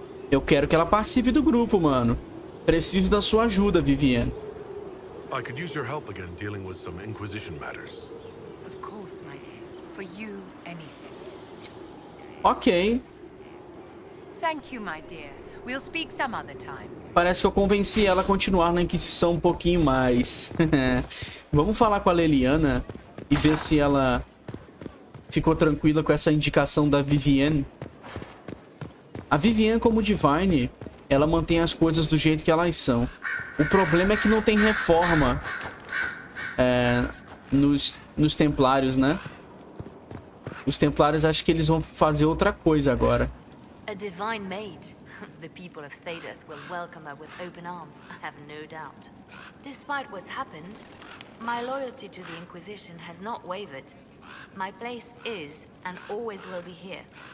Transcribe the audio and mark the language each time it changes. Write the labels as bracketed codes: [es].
[pt] Eu quero que ela participe do grupo, mano. Preciso da sua ajuda, Vivienne. [en] I could use your help again dealing with some Inquisition matters. Of course, my dear. For you, anything. Okay. Thank you, my dear. We'll speak some other time. [pt] Parece que eu convenci ela a continuar na Inquisição um pouquinho mais. Vamos falar com a Leliana e ver se ela ficou tranquila com essa indicação da Vivienne. A Vivienne, como Divine, ela mantém as coisas do jeito que elas são. O problema é que não tem reforma nos Templários, né? Os Templários, acho que eles vão fazer outra coisa agora. [en] A divine mage. The people of Thedas will welcome her with open arms, I have no doubt. Despite what's happened, my loyalty to the Inquisition has not wavered. My place is and always will be here.